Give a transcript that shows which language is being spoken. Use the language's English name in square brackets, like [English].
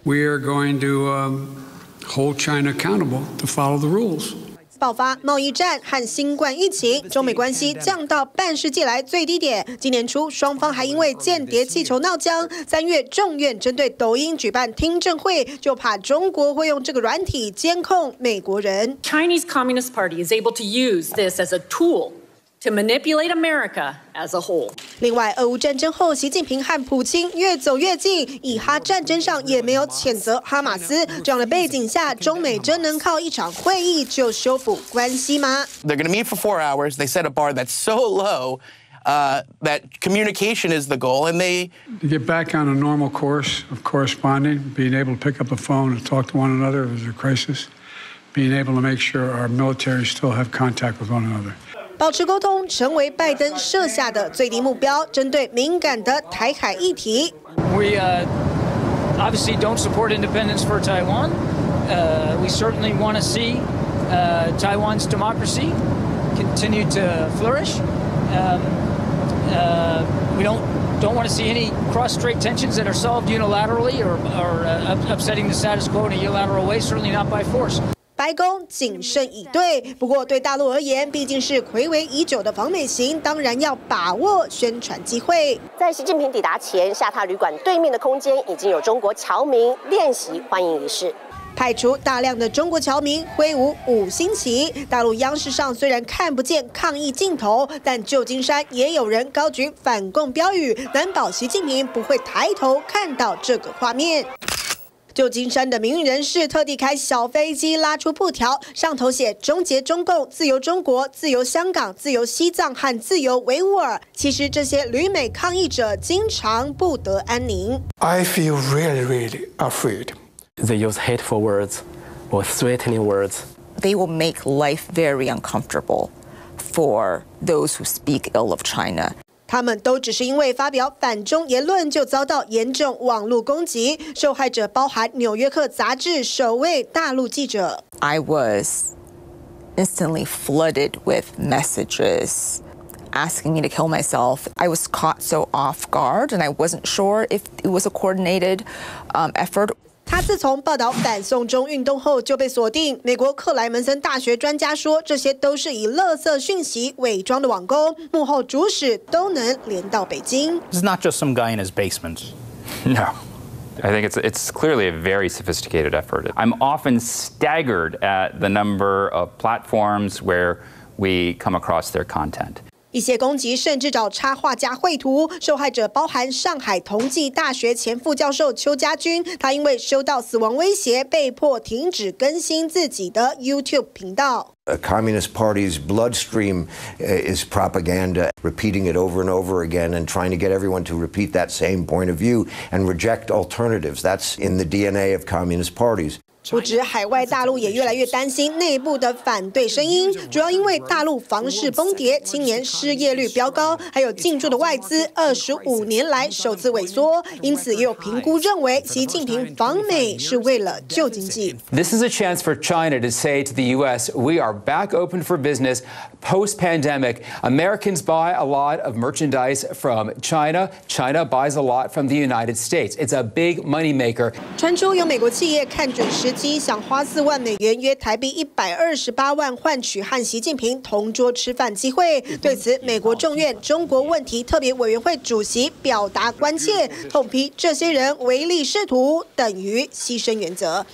[English] ，We are going to hold China accountable to follow the rules。 [Chinese] 爆发贸易战和新冠疫情，中美关系降到半世纪来最低点。今年初，双方还因为间谍气球闹僵。三月，众院针对抖音举办听证会，就怕中国会用这个软体监控美国人。 [English] Chinese Communist Party is able to use this as a tool. To manipulate America as a whole. [Chinese] 另外，俄乌战争后，习近平和普京越走越近，以哈战争上也没有谴责哈马斯。这样的背景下，中美真能靠一场会议就修复关系吗 [English] ？They're going to meet for 4 hours. They set a bar that's so low, that communication is the goal, and they to get back on a normal course of corresponding, being able to pick up a phone and talk to one another if there's a crisis, being able to make sure our military still have contact with one another. [Chinese] 保持沟通成为拜登设下的最低目标，针对敏感的台海议题。 [English] We obviously don't support independence for Taiwan. We certainly want to see Taiwan's democracy continue to flourish. We don't want to see any cross-strait tensions that are solved unilaterally or upsetting the status quo in a unilateral way. Certainly not by force. [Chinese] 白宫谨慎以对，不过对大陆而言，毕竟是睽违已久的访美行，当然要把握宣传机会。在习近平抵达前，下榻旅馆对面的空间已经有中国侨民练习欢迎仪式，派出大量的中国侨民挥舞五星旗。大陆央视上虽然看不见抗议镜头，但旧金山也有人高举反共标语，难保习近平不会抬头看到这个画面。旧金山的名人士特地开小飞机拉出布条，上头写“终结中共，自由中国，自由香港，自由西藏和自由维吾尔”。其实这些旅美抗议者经常不得安宁。 [English] I feel really, really afraid. They use hateful words or threatening words. They will make life very uncomfortable for those who speak ill of China. [Chinese] 他们都只是因为发表反中言论就遭到严重网络攻击，受害者包含《纽约客》杂志首位大陆记者。 [English] I was instantly flooded with messages asking me to kill myself. I was caught so off guard, and I wasn't sure if it was a coordinated effort. [Chinese] 他自从报道反送中运动后就被锁定。美国克莱门森大学专家说，这些都是以垃圾讯息伪装的网攻，幕后主使都能连到北京。 [English] This is not just some guy in his basement. No, I think it's clearly a very sophisticated effort. I'm often staggered at the number of platforms where we come across their content. [Chinese] 一些攻击甚至找插画家绘图，受害者包含上海同济大学前副教授邱家军，他因为收到死亡威胁，被迫停止更新自己的 YouTube 频道。 [English] A Communist Party's bloodstream is propaganda, repeating it over and over again, and trying to get everyone to repeat that same point of view and reject alternatives. That's in the DNA of Communist Parties. [Chinese] 不止海外，大陆也越来越担心内部的反对声音，主要因为大陆房市崩跌，青年失业率飙高，还有进驻的外资25年来首次萎缩，因此也有评估认为习近平访美是为了救经济。 [English] This is a chance for China to say to the U.S. we are back open for business post pandemic. Americans buy a lot of merchandise from China. China buys a lot from the United States. It's a big money maker. [Chinese] 传出有美国企业看准时机，想花4万美元（约台币128万）换取和习近平同桌吃饭机会。对此，美国众院中国问题特别委员会主席表达关切，痛批这些人唯利是图，等于牺牲原则。